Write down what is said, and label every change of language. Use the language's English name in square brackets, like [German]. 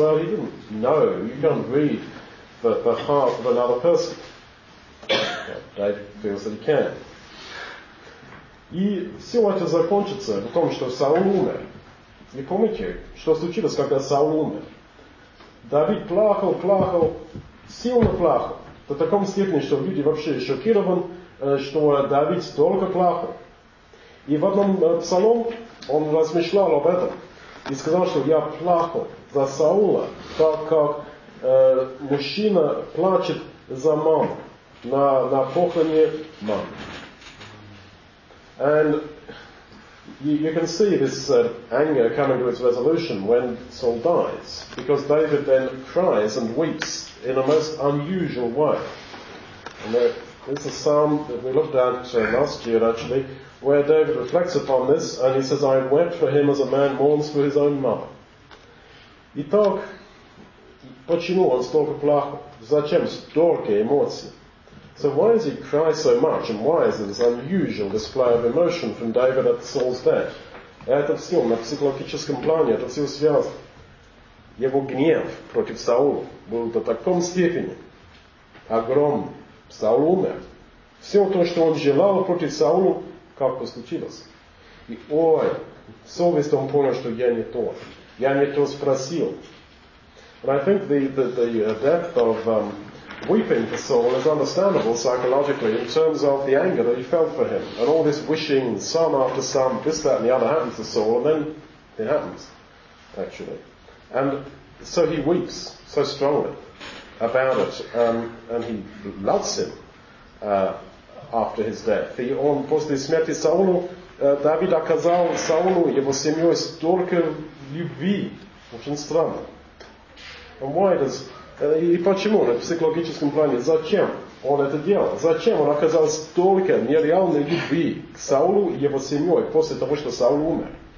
[English] Well, he didn't know. You can't read the heart of another person. David feels that he can. [Russian] И все это закончится в том, что Саул умер. И помните, что случилось, когда Саул умер? Давид плакал, сильно плакал. До таком степени, что люди вообще шокированы, что Давид столько плакал. И в одном псалом он размышлял об этом и сказал, что я плакал за Саула, так как мужчина плачет за маму на похороне мамы. [English] And you can see this anger coming to its resolution when Saul dies, because David then cries and weeps in a most unusual way. And this is a psalm that we looked at last year, actually, where David reflects upon this, and he says, I wept for him as a man mourns for his own mother. [Russian] Итак, почему он столько плакал? Зачем столько эмоций? [English] So why does he cry so much, and why is it this unusual display of emotion from David at Saul's death? [Russian] Это все на психологическом плане, это все связано. Его гнев против Саула был до таком степени огромным. Саул умер. Все то, что он желал против Саула, как бы случилось. И ой, совесть, он понял, что я не то. Я не то спросил. [English] But I think the depth of weeping for Saul is understandable psychologically in terms of the anger that he felt for him. And all this wishing, psalm after psalm, this, that and the other happens to Saul, and then it happens, actually. And so he weeps so strongly about it. And he loves him. After his death. [Russian] И он после смерти Саула, Давид оказал Саулу и его семье столько любви. Очень странно. И почему на психологическом плане? Зачем он это делал? Зачем он оказал столько нереальной любви к Саулу и его семье после того, что Саул умер?